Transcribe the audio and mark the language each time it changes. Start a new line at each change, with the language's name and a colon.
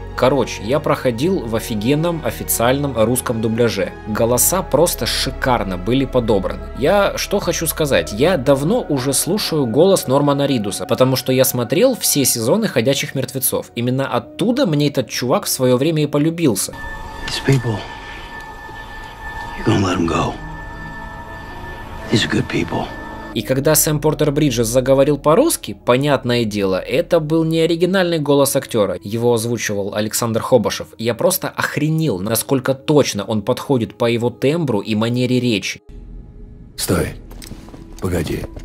Russian: Короче, я проходил в офигенном официальном русском дубляже. Голоса просто шикарно были подобраны. Я что хочу сказать, я давно уже слушаю голос Нормана Ридуса, потому что я смотрел все сезоны «Ходячих мертвецов». Именно оттуда мне этот чувак в свое время и полюбился.
English: These people, you're gonna let them go. These are good people.
Russian: И когда Сэм Портер Бриджес заговорил по-русски, понятное дело, это был не оригинальный голос актера, его озвучивал Александр Хобашев. Я просто охренел, насколько точно он подходит по его тембру и манере речи. Стой, погоди.